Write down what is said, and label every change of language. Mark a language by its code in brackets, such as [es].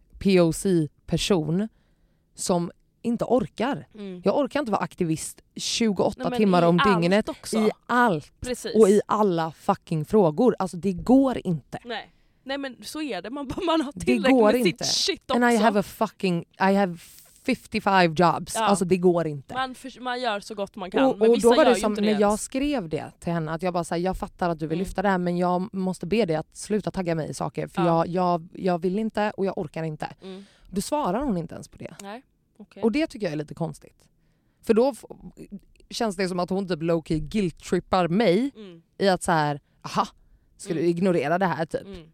[sv] POC-person som inte orkar. Mm. Jag orkar inte vara aktivist 28 timmar om dygnet också. I allt. Precis. Och i alla fucking frågor. Alltså det går inte. Nej men så är det. Man har tillräckligt med inte. Sitt shit också. [en] And I have a fucking, I have 55 jobs. [sv] Ja. Alltså det går inte. Man gör så gott man kan. Och, men vissa då var det som när jag skrev det till henne. Att jag bara säger, jag fattar att du vill lyfta det här, men jag måste be dig att sluta tagga mig i saker. För jag vill inte och jag orkar inte. Mm. Då svarar hon inte ens på det. Nej. Okay. Och det tycker jag är lite konstigt. För då känns det som att hon typ low-key guilt-trippar mig i att så här, aha, ska du ignorera det här typ?